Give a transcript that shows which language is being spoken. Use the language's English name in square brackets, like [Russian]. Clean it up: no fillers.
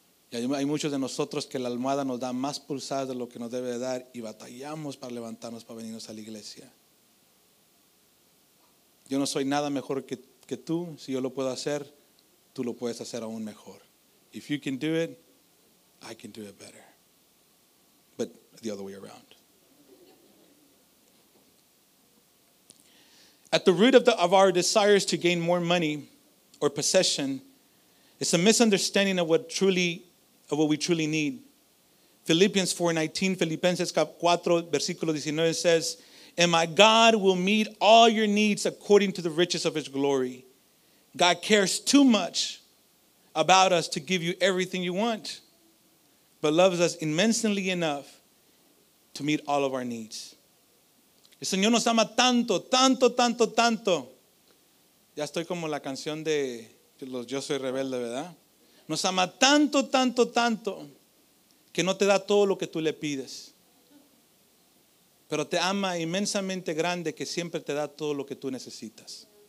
[Spanish] Y hay muchos de nosotros que la almohada nos da más pulsadas de lo que nos debe de dar y batallamos para levantarnos, para venirnos a la iglesia. Yo no soy nada mejor que tú. Si yo lo puedo hacer, tú lo puedes hacer aún mejor. [English] If you can do it, I can do it better. But the other way around. At the root of our desires to gain more money or possession is a misunderstanding of what we truly need. Filipenses 4:19 says, "And my God will meet all your needs according to the riches of his glory." God cares too much about us to give you everything you want, but loves us immensely enough to meet all of our needs. [Spanish] El Señor nos ama tanto, tanto, tanto, tanto. Ya estoy como la canción de los Yo Soy Rebelde, ¿verdad? Nos ama tanto, tanto, tanto que no te da todo lo que tú le pides. Pero te ama inmensamente grande que siempre te da todo lo que tú necesitas.